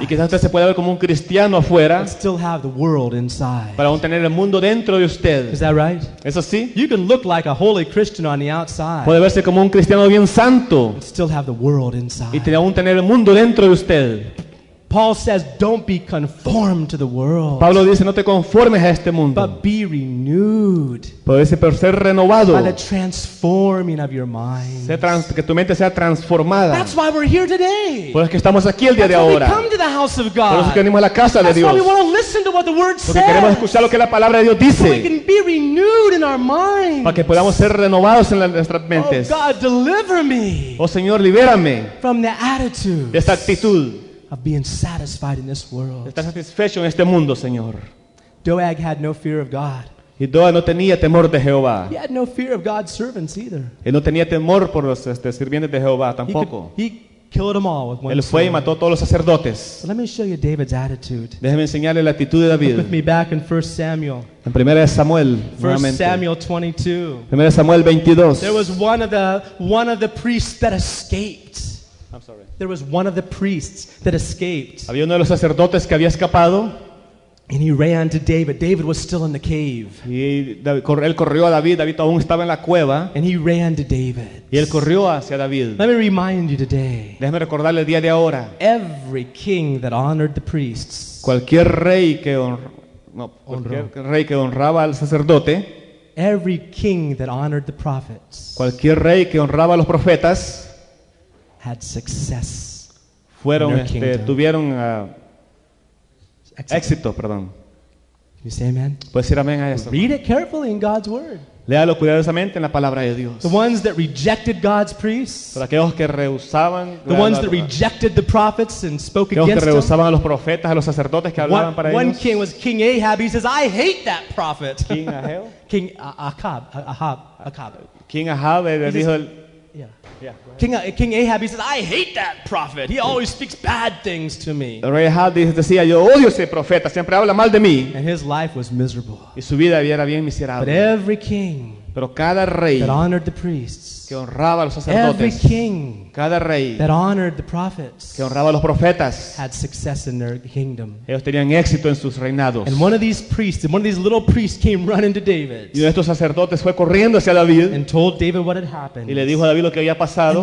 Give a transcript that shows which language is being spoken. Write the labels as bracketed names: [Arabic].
[Spanish] Y quizás usted se puede ver como un cristiano afuera. [English] And still have the world inside. [Spanish] Para aún tener el mundo dentro de usted. [English] Is that right? [Spanish] ¿Eso sí? [English] You can look like a holy Christian on the outside. [Spanish] Puede verse como un cristiano bien santo. [English] And still have the world inside. [Spanish] Y aún tener el mundo dentro de usted. [English] Paul says, "Don't be conformed to the world." [Spanish] Pablo dice, no te conformes a este mundo. [English] But be renewed. [Spanish] Pero ser renovado. [English] By the transforming of your mind. [Spanish] Que tu mente sea transformada. [English] That's why we're here today. [Spanish] Por eso que estamos aquí el día [English] That's [Spanish] de ahora. [English] We come to the house of God. [Spanish] Por eso que venimos a la casa [English] That's [Spanish] de Dios. [English] Why we want to listen to what the word [Spanish] Porque queremos escuchar lo que la palabra de Dios dice. [English] So we can be renewed in our minds. [Spanish] Para que podamos ser renovados en nuestras mentes. [English] Oh God, deliver me. [Spanish] Oh Señor, libérame. [English] From the attitude. [Spanish] De esta actitud. [English] Of being satisfied in this world. [Spanish] Está satisfecho en este mundo, Señor. [English] Doeg had no fear of God. [Spanish] Y Doeg no tenía temor de Jehová. [English] He had no fear of God's servants either. [Spanish] Él no tenía temor por los sirvientes de Jehová tampoco. [English] He killed them all with one sword. [Spanish] Él fue y mató todos los sacerdotes. [English] Let me show you David's attitude. [Spanish] Déjeme enseñarle la actitud de David. [English] Look with me back in 1 Samuel. [Spanish] En 1 Samuel. [English] 1 Samuel 22. [Spanish] 1 Samuel 22. [English] There was one of the priests that escaped. I'm sorry. There was one of the priests that escaped. [Spanish] Había uno de los sacerdotes que había escapado. [English] And he ran to David. David was still in the cave. [Spanish] Y él corrió a David. David aún estaba en la cueva. [English] And he ran to David. [Spanish] Y él corrió hacia David. [English] Let me remind you today. [Spanish] Déjame recordarle el día de ahora. [English] Every king that honored the priests. [Spanish] Cualquier rey que honraba al sacerdote. [English] Every king that honored the prophets. [Spanish] Cualquier rey que honraba a los profetas. [English] Had success. [Spanish] Fueron, tuvieron éxito, perdón. [English] Can you say amen? [Spanish] ¿Puedes decir amén a eso? [English] Read it carefully in God's word. [Spanish] Léalo cuidadosamente en la palabra de Dios. [English] The ones that rejected God's priests. [Spanish] Para aquellos que rehusaban. [English] The ones that rejected the prophets and spoke against them. [Spanish] Que rehusaban a los profetas, a los sacerdotes que hablaban para ellos. [English] One king was King Ahab. He says, "I hate that prophet." King Ahab. Ahab. [Spanish] King Ahab le dijo. [English] Yeah. King Ahab, he says, "I hate that prophet. He always speaks bad things to me." [Spanish] Ahab decía, "Yo odio ese profeta. Siempre habla mal de mí." [English] And his life was miserable. [Spanish] Y su vida era bien miserable. [English] But every king, [Spanish] pero cada rey [English] that honored the priests, [Spanish] que honraba a los sacerdotes, [English] every king, [Spanish] cada rey [English] that honored the prophets, [Spanish] que honraba a los profetas, [English] had success in their kingdom. [Spanish] Ellos tenían éxito en sus reinados. [English] And one of these priests, one of these little priests, came running to David. [Spanish] Y uno de estos sacerdotes fue corriendo hacia David. [English] And told David what had happened. [Spanish] Y le dijo a David lo que había pasado.